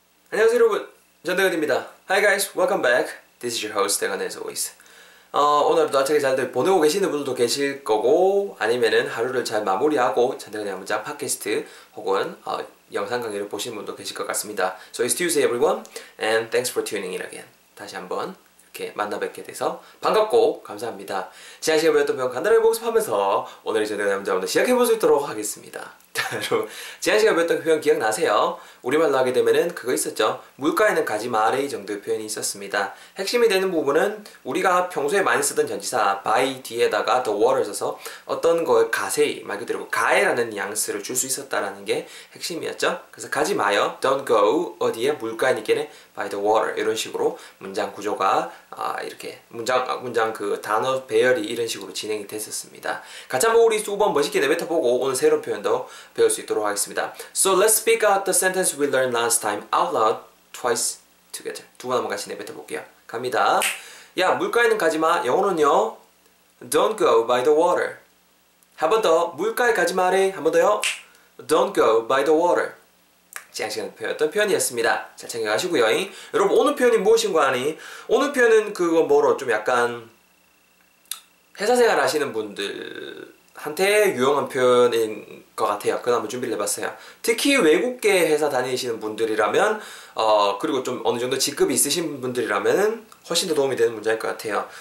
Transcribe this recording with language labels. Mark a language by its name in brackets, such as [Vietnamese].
[Korean] 안녕하세요 여러분, 전대건입니다. [English] Hi guys, welcome back. This is your host, 대건 as always. [Korean] 오늘도 아차게 잘 보내고 계시는 분들도 계실 거고, 아니면은 하루를 잘 마무리하고 전대건의 문장 팟캐스트 혹은 영상 강의를 보시는 분도 계실 것 같습니다. [English] So it's Tuesday everyone, and thanks for tuning in again. [Korean] 다시 한번 이렇게 만나 뵙게 돼서 반갑고 감사합니다. 지난 시간에 배웠던 배움 간단하게 복습하면서 오늘의 전대건의 문장 한번 시작해볼 수 있도록 하겠습니다. 여러분, 지난 시간에 배웠던 표현 기억나세요? 우리말로 하게 되면은 그거 있었죠. 물가에는 가지 말의 정도의 표현이 있었습니다. 핵심이 되는 부분은 우리가 평소에 많이 쓰던 전치사 by 뒤에다가 the water 써서 어떤 걸 가세히, 말 그대로 가해라는 뉘앙스를 줄 수 있었다라는 게 핵심이었죠. 그래서 가지 마요, [English] don't go [Korean] 어디에 물가에 있겠네 [English] by the water, [Korean] 이런 식으로 문장 구조가 이렇게 문장 그 단어 배열이 이런 식으로 진행이 됐었습니다. 같이 한번 우리 두 번 멋있게 내뱉어보고 오늘 새로운 표현도 배울 수 있도록 하겠습니다. [English] So let's speak out the sentence we learned last time out loud twice together. [Korean] 두 번 한번 같이 내뱉어 볼게요. 갑니다. 야, 물가에는 가지 마. 영어는요, [English] don't go by the water. [Korean] 한 번 더, 물가에 가지 마래. 한 번 더요, [English] don't go by the water. [Korean] 지난 시간에 배웠던 표현이었습니다. 잘 챙겨가시고요. 여러분, 오늘 표현이 무엇인가 하니, 오늘 표현은 그거 뭐로 좀 약간 회사 생활 하시는 분들 한테 유용한 표현인 것 같아요. 그건 한번 준비를 해봤어요. 특히 외국계 회사 다니시는 분들이라면, 그리고 좀 어느 정도 직급이 있으신 분들이라면 훨씬 더 도움이 되는 문장일 것 같아요.